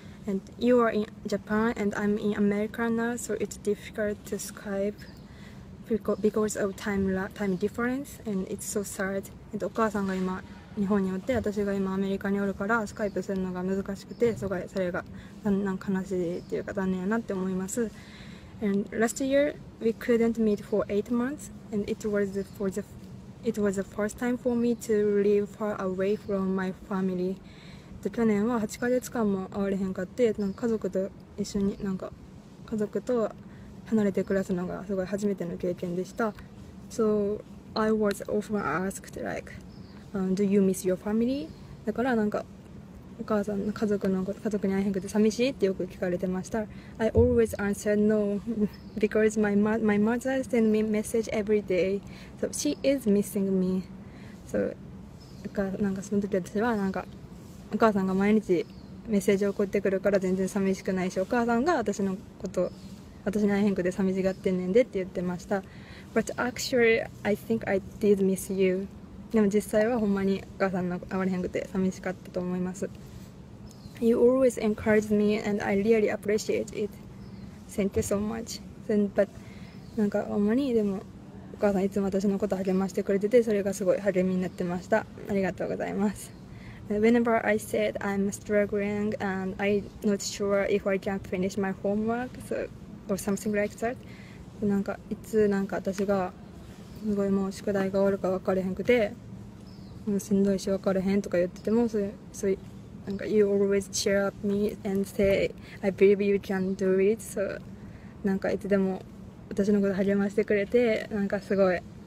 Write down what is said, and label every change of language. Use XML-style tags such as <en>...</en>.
<en>And you are in Japan and I'm in America now, so it's difficult to Skype because of time difference and it's so sad.</en> <ja>お母さんが今日本におって私が今アメリカにおるからスカイプするのが難しくてすごいそれがだんだん悲しいっていうか残念やなって思います。</ja> <en>And last year we couldn't meet for 8 months and it was the first time for me to live far away from my family.</en> <ja>去年は8ヶ月間も会われへんかってなんか家族と一緒になんか家族と離れて暮らすのがすごい初めての経験でした。</ja> <en>So I was often asked like,do you miss your family?</en> <ja>だからなんかお母さんの家族に会えへんくて寂しいってよく聞かれてました。</ja> <en>I always answered no because my mother sends me message every day. So she is missing me. So</en> <ja>なんかその時私はなんかお母さんが毎日メッセージを送ってくるから全然寂しくないしお母さんが私のこと私に会えへんくて寂しがってんねんでって言ってました。</ja> <en>But actually I think I did miss you.</en> <ja>でも実際はほんまにお母さんの会われへんくて寂しかったと思います。</ja> <en>You always encouraged me and I really appreciate it. Thank you so much. But</en> <ja>なんかほんまにでもお母さんいつも私のこと励ましてくれててそれがすごい励みになってました。ありがとうございます。</ja> <en>Whenever I said I'm struggling and I'm not sure if I can finish my homework or something like that,</en> <ja>なんかいつなんか私がすごいもう宿題が終わるか分かれへんくてもうしんどいし分かれへんとか言っててもそういうなんか</ja> <en>You always cheer up me and say I believe you can do it so</en> <ja>なんかいつでも私のこと励ましてくれてなんかすごい</ja>